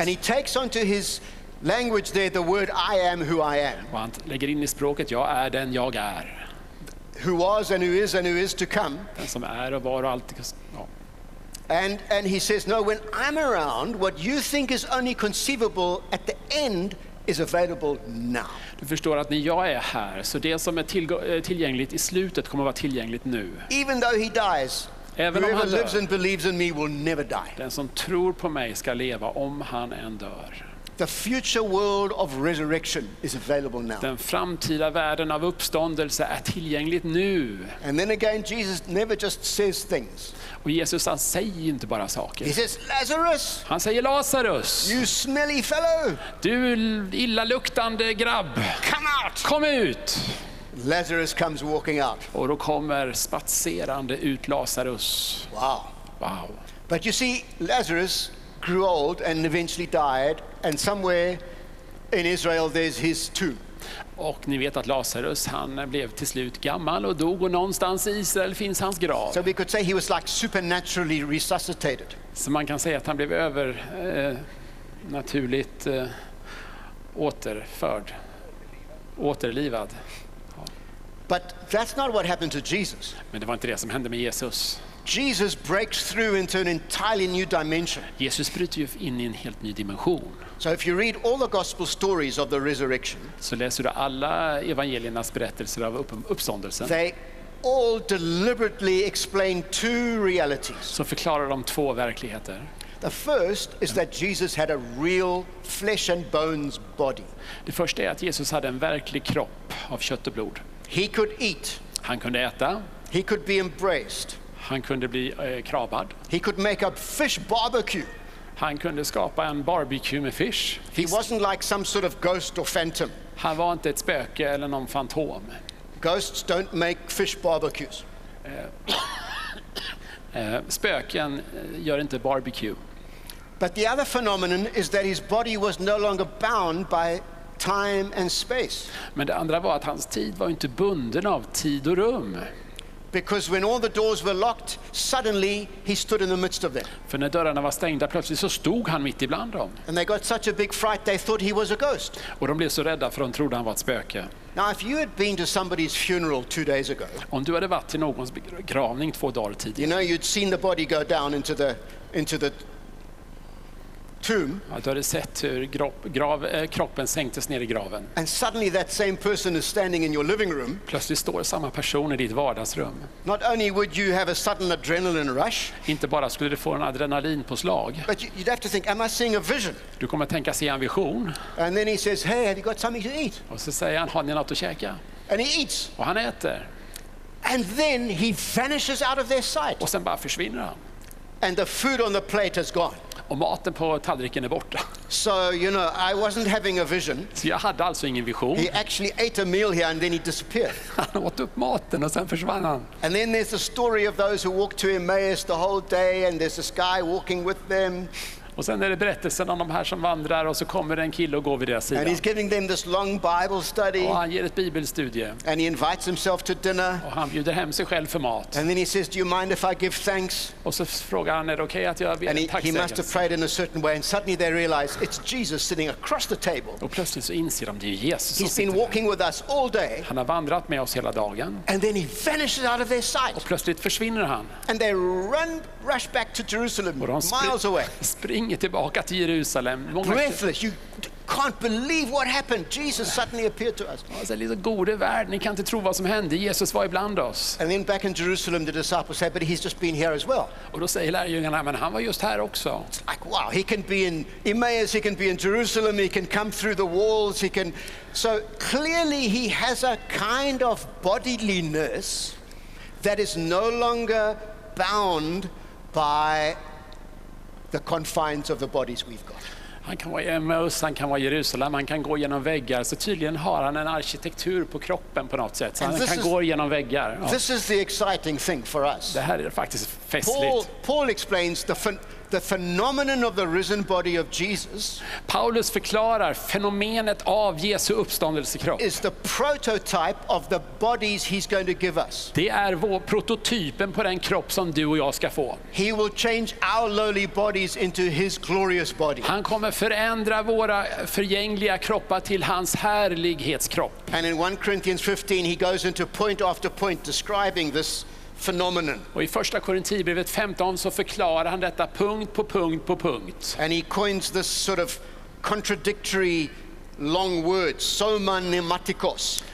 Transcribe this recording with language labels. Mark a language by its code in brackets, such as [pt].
[en] And he takes onto his language there the word I am who I am. [sv] Han lägger in i språket jag är den jag är. [en] Who was and who is to come. [sv] Den som är och var och alltid. Ja. [en] And he says no, when I'm around what you think is only conceivable at the end is available now. [sv] Du förstår att när jag är här så det som är tillgängligt i slutet kommer att vara tillgängligt nu. [en] Even though he dies. [sv] Även [en] whoever [sv] om han [en] lives and believes in me will never die. [sv] Den som tror på mig ska leva om han än dör. [en] The future world of resurrection is available now. [sv] Den framtida världen av uppståndelse är tillgängligt nu. [en] And then again, Jesus never just says things. [sv] Och Jesus han säger inte bara saker. [en] He says Lazarus. [sv] Han säger Lazarus. [en] You smelly fellow. [sv] Du illaluktande grabb. [en] Come out. [sv] Kom ut. [en] Lazarus comes walking out. [sv] Och då kommer spatserande ut Lazarus. [en] Wow. [sv] Wow. [en] But you see, Lazarus grew old and eventually died. And somewhere in Israel there's his tomb. [sv] Och ni vet att Lazarus han blev till slut gammal och dog och någonstans i Israel finns hans grav. [en] So we could say he was like supernaturally resuscitated. [sv] Så man kan säga att han blev över naturligt återförd. Återlivad. Ja. [en] But that's not what happened to Jesus. [sv] Men det var inte det som hände med Jesus. [en] Jesus breaks through into an entirely new dimension. [sv] Jesus bryter ju in i en helt ny dimension. [en] So if you read all the gospel stories of the resurrection, [sv] så läser du alla evangeliernas berättelser av uppståndelsen. [en] They all deliberately explain two realities. [sv] Så förklarar de två verkligheter. [en] The first is that Jesus had a real flesh and bones body. [sv] Det första är att Jesus hade en verklig kropp av kött och blod. [en] He could eat. [sv] Han kunde äta. [en] He could be embraced. [sv] Han kunde bli kravad. [en] He could make a fish barbecue. [sv] Han kunde skapa en barbecue med fish. [en] He wasn't like some sort of ghost or phantom. [sv] Han var inte ett spöke eller någon fantom. [en] Ghosts don't make fish barbecues. [sv] spöken gör inte barbecue. [en] But the other phenomenon is that his body was no longer bound by time and space. [sv] Men det andra var att hans tid var inte bunden av tid och rum. [en] Because when all the doors were locked, suddenly he stood in the midst of them. [sv] För när dörrarna var stängda plötsligt så stod han mitt ibland dem. [en] And they got such a big fright they thought he was a ghost. [sv] Och de blev så rädda för de trodde han var ett spöke. [en] Now if you had been to somebody's funeral 2 days ago. [sv] Om du hade varit till någons begravning 2 dagar tidigare. [en] You know you'd seen the body go down into the tomb. [sv] Ja, du hade sett hur kroppen sänktes ner i graven. [en] And suddenly that same person is standing in your living room. [sv] Plötsligt står samma person i ditt vardagsrum. [en] Not only would you have a sudden adrenaline rush. [sv] Inte bara skulle du få en adrenalinpåslag. [en] But you'd have to think, am I seeing a vision? [sv] Du kommer att tänka, se en vision. [en] And then he says, hey, have you got something to eat? [sv] Och så säger han, har ni något att käka? [en] And he eats. [sv] Och han äter. [en] And then he vanishes out of their sight. [sv] Och sen bara försvinner han. [en] And the food on the plate is gone. [sv] Och maten på tallriken är borta. [en] So you know, I wasn't having a vision. [sv] Så jag hade alltså ingen vision. [en] He actually ate a meal here and then he disappeared. [sv] Han åt upp maten och sen försvann han. [en] And then there's the story of those who walked to Emmaus the whole day and there's this guy walking with them. [sv] Och sen är det berättelsen om de här som vandrar och så kommer en kille och går vid deras sida. [en] And he's giving them this long Bible study. [sv] Och han ger ett bibelstudie. [en] And he invites himself to dinner. [sv] Och han bjuder hem sig själv för mat. [en] And then he says, do you mind if I give thanks? [sv] Och så frågar han, är det okej att jag ber tacksägelse? [en] He must have prayed in a certain way and suddenly they realize it's Jesus sitting across the table. [sv] Och plötsligt så inser de, det är Jesus. [en] He's been walking with us all day. [sv] Han har vandrat med oss hela dagen. [en] And then he vanishes out of their sight. [sv] Och plötsligt försvinner han. [en] And they rush back to Jerusalem, miles away. [sv] Tillbaka till Jerusalem. [en] Breathless, you can't believe what happened. Jesus suddenly appeared to us. [sv] Alltså, lite gode värld. Ni kan inte tro vad som hände. Jesus var ibland oss. [en] And then back in Jerusalem, the disciples said, "But he's just been here as well." [sv] Och då säger lärjungarna, men han var just här också. [en] It's like, wow, he can be in Emmaus, he can be in Jerusalem, he can come through the walls, he can. So clearly, he has a kind of bodiliness that is no longer bound by the confines of the bodies we've got. [sv] Han kan vara i Emmaus, han kan vara i Jerusalem, han kan gå genom väggar, så tydligen har han en arkitektur på kroppen på något sätt, så han kan gå genom väggar. [en] This is the exciting thing for us. [sv] Det här är faktiskt festligt. [en] Paul explains the phenomenon of the risen body of Jesus. [sv] Paulus förklarar fenomenet av Jesu uppståndelsekropp. [en] Is the prototype of the bodies he's going to give us. [sv] Det är vår prototypen på den kropp som du och jag ska få. [en] He will change our lowly bodies into his glorious body. [sv] Han kommer förändra våra förgängliga kroppar till hans härlighetskropp. [en] And in 1 Corinthians 15 he goes into point after point describing this phenomenon. [sv] Och i första Korintierbrevet 15 så förklarar han detta punkt på punkt på punkt. [en] And he coins this sort of contradictory long word, soma pneumatikos.